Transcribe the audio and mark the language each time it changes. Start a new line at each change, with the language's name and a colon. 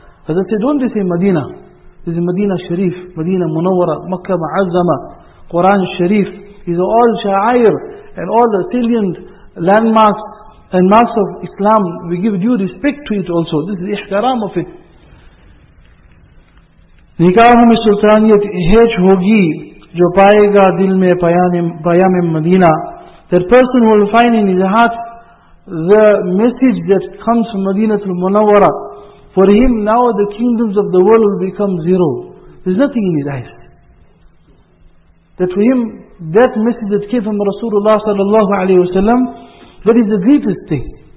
English: Hazrat said, don't they say Madina? This is Madina Sharif, Madina Munawwara, Makkah Mu'azzama, Quran Sharif. These are all sha'air and all the salient landmarks and marks of Islam. We give due respect to it also. This is the ihtiram of it.
Urdu: نکاح میں سلطانیت ہیچ ہوگی جو پائے گا دل میں پیام مدینہ.
English: That person will find in his heart the message that comes from Madinatul Munawwara. For him now the kingdoms of the world will become zero. There's nothing in his eyes. That for him that message that came from Rasulullah sallallahu alayhi wa sallam, that is the greatest thing.